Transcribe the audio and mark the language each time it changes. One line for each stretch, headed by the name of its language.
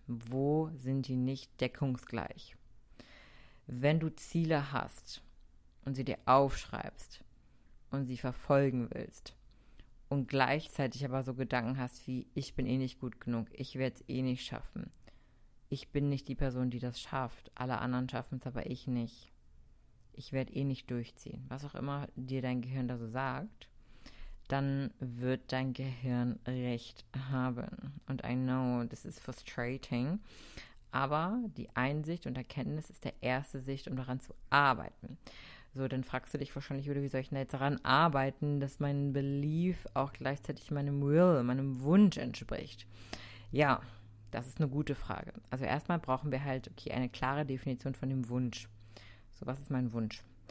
German: Wo sind die nicht deckungsgleich? Wenn du Ziele hast und sie dir aufschreibst und sie verfolgen willst und gleichzeitig aber so Gedanken hast wie, ich bin eh nicht gut genug, ich werde es eh nicht schaffen, ich bin nicht die Person, die das schafft, alle anderen schaffen es, aber ich nicht. Ich werde eh nicht durchziehen. Was auch immer dir dein Gehirn da so sagt, dann wird dein Gehirn recht haben.
English: Und I know, this is frustrating.
German: Aber die Einsicht und Erkenntnis ist der erste Sicht, um daran zu arbeiten. So, dann fragst du dich wahrscheinlich, wie soll ich denn jetzt daran arbeiten, dass mein Belief auch gleichzeitig meinem Will, meinem Wunsch entspricht? Ja, das ist eine gute Frage. Also erstmal brauchen wir halt okay, eine klare Definition von dem Wunsch. So, was ist mein Wunsch?